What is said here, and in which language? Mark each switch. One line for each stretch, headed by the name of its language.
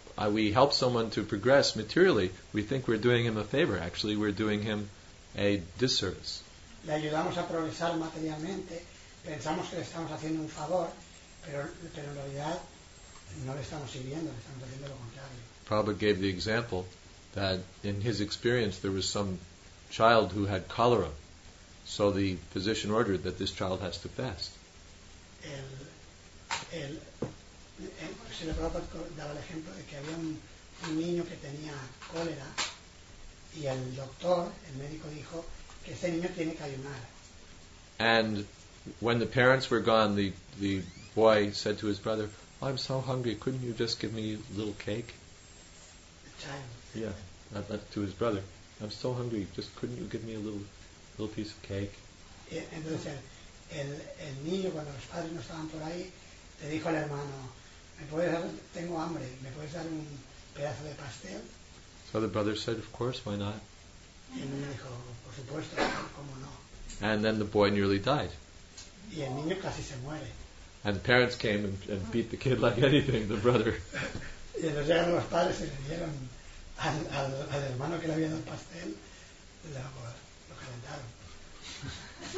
English: We help someone to progress materially, we think we're doing him a favor. Actually, we're doing him a disservice.
Spanish: Le ayudamos a progresar materialmente, pensamos que le estamos haciendo un favor, pero en realidad no le estamos sirviendo, le estamos haciendo lo contrario.
English: Prabhupada gave the example that in his experience there was some child who had cholera, so the physician ordered that this child has to fast.
Spanish: El Prabhupada daba el ejemplo de que había un niño que tenía cólera. Y el doctor, el médico dijo que ese niño tiene que ayunar.
English: And when the parents were gone, the boy said to his brother, "I'm so hungry. Couldn't you just give me a little cake?" The child. Yeah, to his brother, "I'm so hungry. Just couldn't you give me a little piece of cake?"
Spanish: Entonces el niño, cuando los padres no estaban por ahí, le dijo al hermano, "Tengo hambre. ¿Me puedes dar un pedazo de pastel?"
English: So the brother said, "Of course, why not?"
Spanish: Y el niño dijo, "Por supuesto, ¿cómo no?"
English: And then the boy nearly died.
Spanish: Y el niño casi se muere.
English: And the parents came and beat the kid like anything, the brother.
Spanish: Y entonces llegaron los padres y le dieron al hermano que le había dado el pastel, lo calentaron.